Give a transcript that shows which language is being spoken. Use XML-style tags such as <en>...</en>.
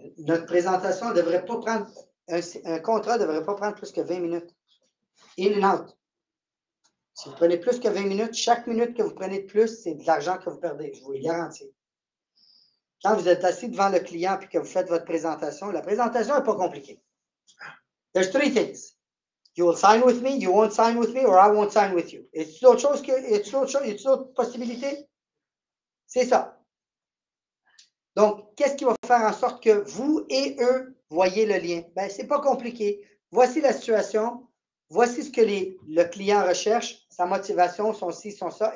<fr>Notre présentation ne devrait pas prendre, un contrat ne devrait pas prendre plus que 20 minutes.</fr> <en>In and out.</en> <fr>Si vous prenez plus que 20 minutes, chaque minute que vous prenez de plus, c'est de l'argent que vous perdez, je vous le garantis. Quand vous êtes assis devant le client et que vous faites votre présentation, la présentation n'est pas compliquée.</fr> <en>There's three things. You will sign with me, you won't sign with me, or I won't sign with you.</en> <fr>Est-ce d'autres choses que, est-ce d'autres possibilités? C'est ça. Donc, qu'est-ce qui va faire en sorte que vous et eux voyez le lien? Ben, c'est pas compliqué. Voici la situation. Voici ce que le client recherche, sa motivation, son ci, son ça.</fr>